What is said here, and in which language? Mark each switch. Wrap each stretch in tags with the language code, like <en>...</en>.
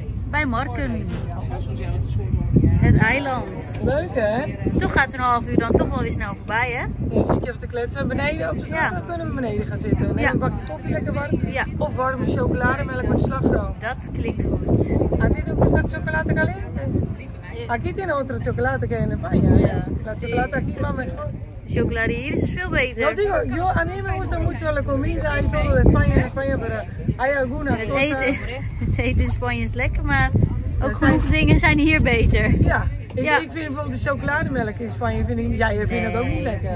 <nl>bij Marken. Het eiland. Leuk, hè? Toch gaat zo'n half uur dan toch wel weer snel voorbij, hè? Ja, zie ik je even te kletsen. Beneden op de trap, dan kunnen we beneden gaan zitten. Ja. Een bakje koffie, lekker warm. Ja. Of warme chocolademelk met slagroom. Dat klinkt goed. Aan dit ook is dat chocolade caliente?</nl> <es>Aquí tiene otro chocolate que en España, ¿eh? La chocolate aquí va mejor.</es> <nl>De chocolade hier is veel beter.</nl> <es>Yo digo, yo, a mí me gusta mucho la comida y todo de España en España, pero hay algunas cosas...</es> <nl>Het eten in Spanje is lekker, maar ook genoeg dingen zijn hier beter. Ja, ik vind bijvoorbeeld de chocolademelk in Spanje, jij vindt dat ook niet lekker.</nl>